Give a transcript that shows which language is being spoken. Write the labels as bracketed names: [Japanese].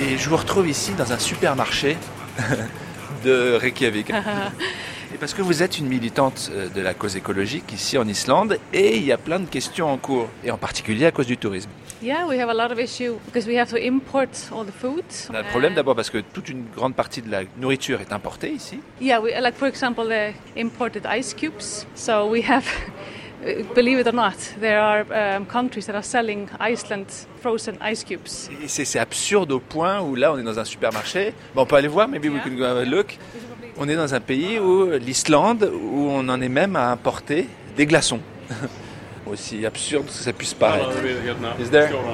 [French] Et je vous retrouve ici dans un supermarché de Reykjavik. Et parce que vous êtes une militante de la cause écologique ici en Islande et il y a plein de questions en cours, et en particulier à cause du tourisme. [English] Yeah, we have a lot of issues because we have to import all the food. [French] On a le problème d'abord parce que toute une grande partie de la nourriture est importée ici. [English] Yeah, we, like for example the imported ice cubes. So we have, believe it or not, there are countries that are selling Iceland frozen ice cubes. [French] Et c'est absurde au point où là on est dans un supermarché. Bon, on peut aller voir, [English] maybe we can go have a look. [French] On est dans un pays où l'Islande, où on en est même à importer des glaçons. Aussi absurde que ça puisse paraître. [English] Is there?